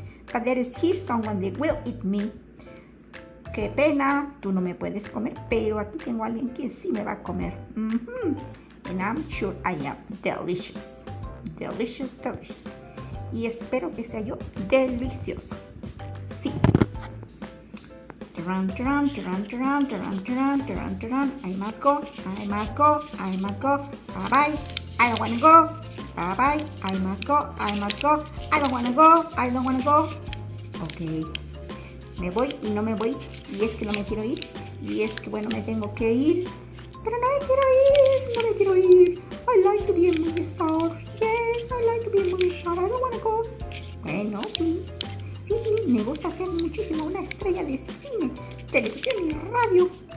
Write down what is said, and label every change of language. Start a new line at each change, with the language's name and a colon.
English: But there is here someone that will eat me.
Spanish: Qué pena, tú no me puedes comer, pero aquí tengo a alguien que sí me va a comer.
English: And I'm sure I am delicious. Delicious, delicious.
Spanish: Y espero que sea yo delicioso. Sí. Turun, turun, turun, turun, turun, turun, turun, turun.
English: I must go, I must go, I must go. Bye-bye, I don't wanna go. Bye-bye, I must go, I must go. I don't wanna go, I don't wanna go.
Spanish: Ok. Me voy y no me voy. Y es que no me quiero ir. Y es que, bueno, me tengo que ir. Pero no me quiero ir, no me quiero ir.
English: I like to be a movie star. Yes, I like to be a movie star. I don't want to go.
Spanish: Bueno, sí. Sí, sí, me gusta ser muchísimo una estrella de cine, televisión y radio.